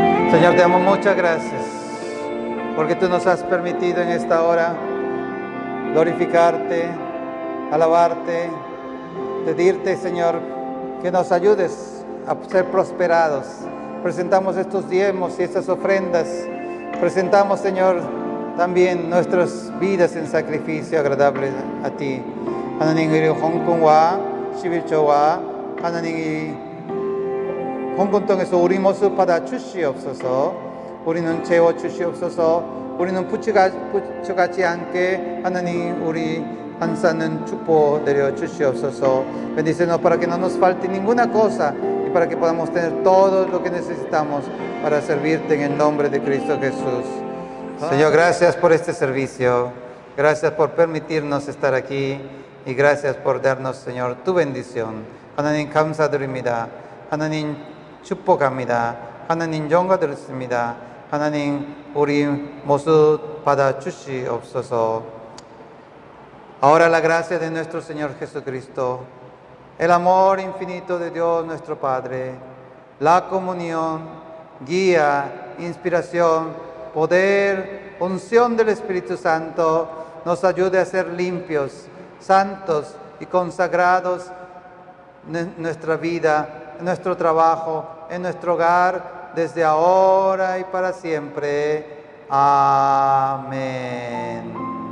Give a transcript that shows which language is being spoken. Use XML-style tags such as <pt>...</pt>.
<es>Señor, te damos muchas gracias porque tú nos has permitido en esta hora glorificarte, alabarte, pedirte, Señor, que nos ayudes a ser prosperados. Presentamos estos diezmos y estas ofrendas. Presentamos, Señor, también nuestras vidas en sacrificio agradable a ti.</es> <ko>하나님 우리 헌금과 십일조와 하나님 이 헌금 통해서 우리 모습 받아 주시옵소서. 우리는 채워 주시옵소서. 우리는 부채같이 않게 하나님 우리 한 사는 축복 내려 주시옵소서.</ko> <es>Bendícenos para que no nos falte ninguna cosa y para que podamos tener todo lo que necesitamos para servirte en el nombre de Cristo Jesús. Señor, gracias por este servicio, gracias por permitirnos estar aquí y gracias por darnos, Señor, tu bendición.</es> <ko>하나님 감사드립니다. 하나님 축복합니다. 하나님 영광드립니다. 하나님 우리 모습 받아 주시옵소서.</ko> <es>Ahora la gracia de nuestro Señor Jesucristo, el amor infinito de Dios nuestro Padre, la comunión, guía, inspiración, poder, unción del Espíritu Santo, nos ayude a ser limpios, santos y consagrados en nuestra vida, en nuestro trabajo, en nuestro hogar, desde ahora y para siempre. Amén.</es>